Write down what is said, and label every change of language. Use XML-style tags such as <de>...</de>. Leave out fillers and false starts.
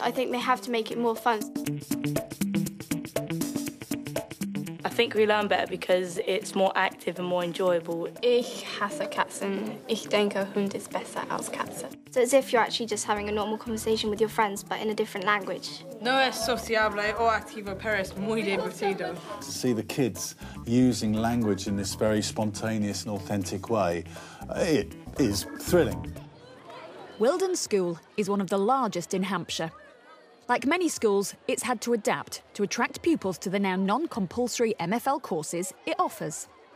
<en>I think they have to make it more fun. I think we learn better because it's more active and more enjoyable.</en> <de>Ich hasse Katzen. Ich denke, Hund ist besser als Katze.</de> <en>So it's as if you're actually just having a normal conversation with your friends, but in a different language.</en> <es>No es sociable o activo, pero es muy divertido.</es> <en>To see the kids using language in this very spontaneous and authentic way, it is thrilling. Wildern School is one of the largest in Hampshire. Like many schools, it's had to adapt to attract pupils to the now non-compulsory MFL courses it offers.</en>